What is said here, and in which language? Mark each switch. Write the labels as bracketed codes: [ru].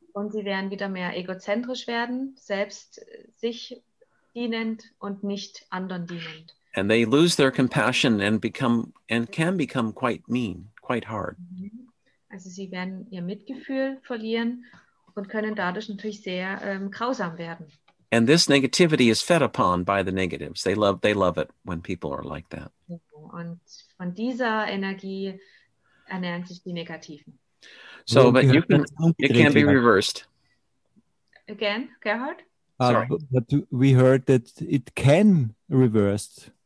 [de] Und sie werden wieder mehr egozentrisch werden, selbst sich dienend und nicht anderen dienend. [en] And they lose their compassion and become and can become quite mean, quite hard. [de] Also sie werden ihr Mitgefühl verlieren und können dadurch natürlich sehr grausam werden. [en] And this negativity is fed upon by the negatives. They love it when people are like that. [de] Und von dieser Energie ernähren sich die Negativen. [en] So, but you can, it can be reversed. Again, Gerhard? Sorry. But we heard that it can reverse.